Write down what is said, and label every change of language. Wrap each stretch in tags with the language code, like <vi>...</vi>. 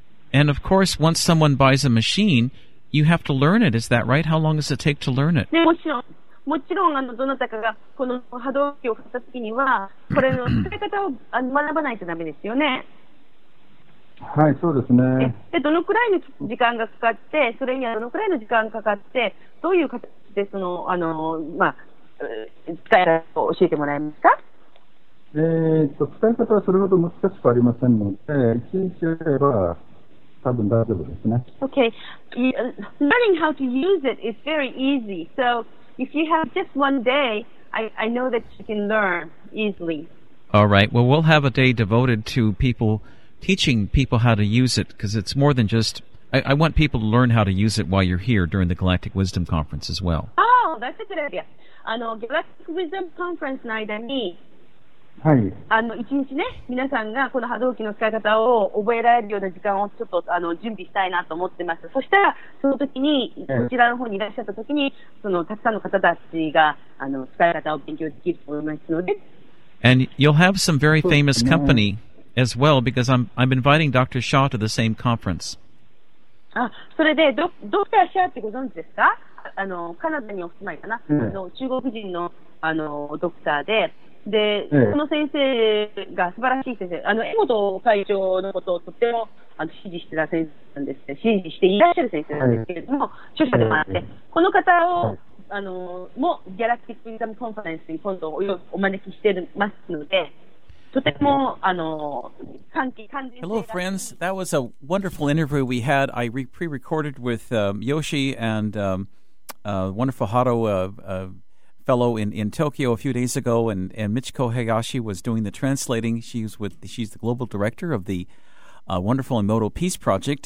<en>And of course, once someone buys a machine, you have to learn it. Is that right? How long does it take to learn it?</en> <ja>もちろん、どなたかがこの波動機を買った時には、これの使い方を学ばないとダメですよね。はい、そうですね。で、どのくらいの時間がかかって、それにはどのくらいの時間がかかって、どういう形でその、まあ、使い方を教えてもらえますか？使い方はそれほど難しくありませんので、一日やれば、</ja> <en>Okay, learning how to use it is very easy. So if you have just one day, I know that you can learn easily. All right. Well, we'll have a day devoted to people teaching people how to use it because it's more than just... I want people to learn how to use it while you're here during the Galactic Wisdom Conference as well. Oh, that's a good idea. Galactic Wisdom Conference</en> <ja>の間に、はい、一日ね、皆さんがこの波動機の使い方を覚えられるような時間をちょっと準備したいなと思ってます。そしたら、その時に、こちらの方にいらっしゃった時に、たくさんの方たちが使い方を勉強できると思いますので。</ja> <en>And you'll have some very famous company as well, because I'm inviting Dr. Shaw to the same conference.</en> <ja>あ、それで、ドクター・シャーってご存知ですか？カナダにお住まいかな、中国人の、ドクターで、で、この先生が素晴らしい先生、江本会長のことをとっても支持してた先生なんですけど、支持していらっしゃる先生なんですけれども、著者でもあって、この方を、もギャラクティック・ウィズダム・コンファレンスに今度お招きしてますので、とても、</ja> <en>Hello, friends. That was a wonderful interview we had. I pre-recorded with Yoshi and wonderful Haro. Fellow in Tokyo a few days ago, and Michiko Hayashi was doing the translating. She's the global director of the wonderful Emoto Peace Project.</en>